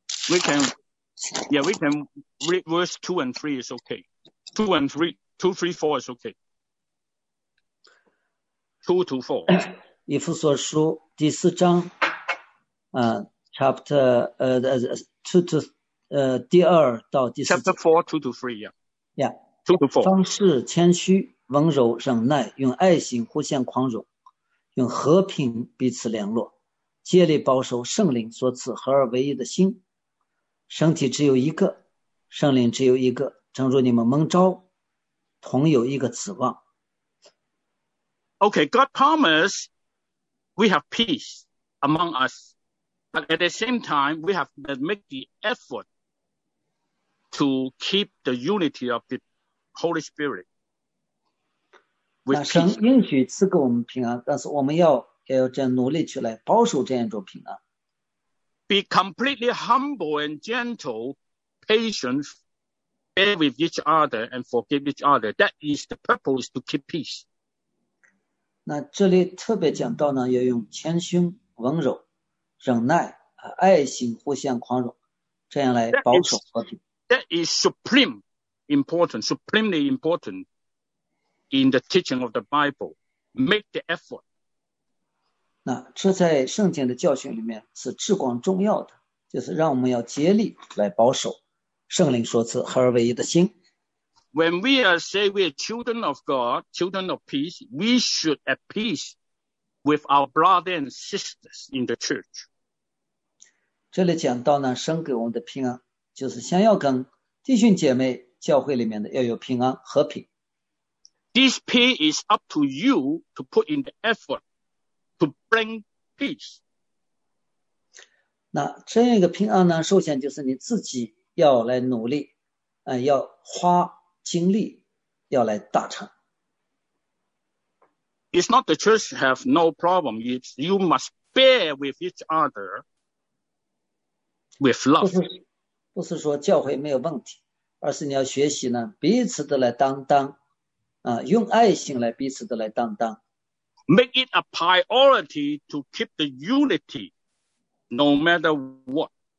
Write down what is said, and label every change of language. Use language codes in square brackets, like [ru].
[en] We can read verse 2 and 3 is okay. 2 and 3, 2, 3, 4 is okay. 2 to 4. Ephesians 4, [zh] 第四章 [en] Chapter two to [zh] 第二到第四节。 [en] Chapter four, two to three, yeah. Yeah. Two to four. [zh] 方士谦虚，温柔忍耐，用爱心互相宽容，用和平彼此联络，竭力保守圣灵所赐合而为一的心。身体只有一个，圣灵只有一个，正如你们蒙召，同有一个指望。 [en] Okay, God promised we have peace among us, but at the same time, we have to make the effort to keep the unity of the Holy Spirit. [zh] 那神应许赐给我们平安，但是我们要这样努力去来保守这样一种平安。 [en] Be completely humble and gentle, patient, bear with each other and forgive each other. That is the purpose to keep peace. [zh] 那这里特别讲到呢，要用谦逊、温柔、忍耐、爱心互相宽容，这样来保守和平。 [en] That is supreme important, supremely important in the teaching of the Bible. Make the effort. [zh] 那这在圣经的教训里面是至关重要的，就是让我们要竭力来保守圣灵所赐合而为一的心。 [en] When we are say we are children of God, children of peace, we should at peace with our brothers and sisters in the church. [zh] 这里讲到呢，神给我们的平安，就是想要跟弟兄姐妹教会里面的要有平安和平。 [en] This peace is up to you to put in the effort. To bring peace. [zh] 那这样一个平安呢，首先就是你自己要来努力，要花精力，要来达成。 [en] It's not the church have no problem. It's you must bear with each other with love. [zh] 不是说教会没有问题，而是你要学习呢，彼此的来担当，用爱心来彼此的来担当。 [en] Make it a priority to keep the unity, no matter what.